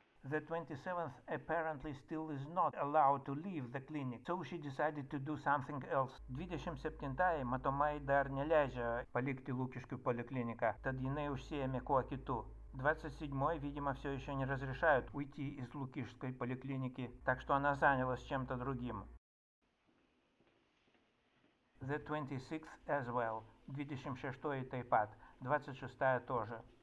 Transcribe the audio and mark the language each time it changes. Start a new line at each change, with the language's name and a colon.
English: The 27th apparently still is not allowed to leave the clinic, so she decided to do something else.
Lithuanian: 27-ai matomai dar neleidžia palikti Lukiškių polikliniką, tad jinai užsiėmė kuo kitu.
Russian: 27-ai, видимо, все еще не разрешают уйти из Лукишской поликлиники, так что она занялась чем-то другим.
English: The 26th as well.
Lithuanian: 26-ai taip pat.
Russian: 26-ая тоже.